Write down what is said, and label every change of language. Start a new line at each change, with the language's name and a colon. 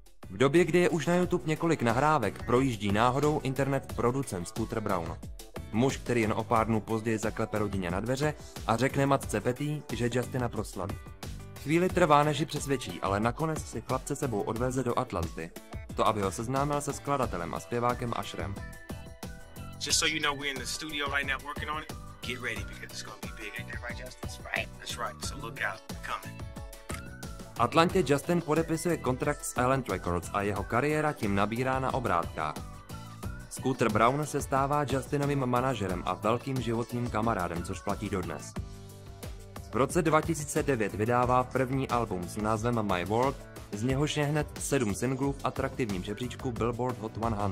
Czech: V době, kdy je už na YouTube několik nahrávek, projíždí náhodou internet producent Scooter Brown. Muž, který jen o pár dnů později zaklepe rodině na dveře a řekne matce Petty, že Justina proslaví. Chvíli trvá, než ji přesvědčí, ale nakonec si chlapce sebou odveze do Atlanty. To, aby ho seznámil se skladatelem a zpěvákem Asherem.
English: Just so you know, we're in the studio right now working on it. Get ready because it's gonna be big, ain't that right, Justin? That's right, so look out, we're coming.
Czech: Atlantě Justin podepisuje kontrakt s Island Records a jeho kariéra tím nabírá na obrátkách. Scooter Brown se stává Justinovým manažerem a velkým životním kamarádem, což platí dodnes. V roce 2009 vydává první album s názvem My World, z něhož je hned 7 singlů v atraktivním žebříčku Billboard Hot 100.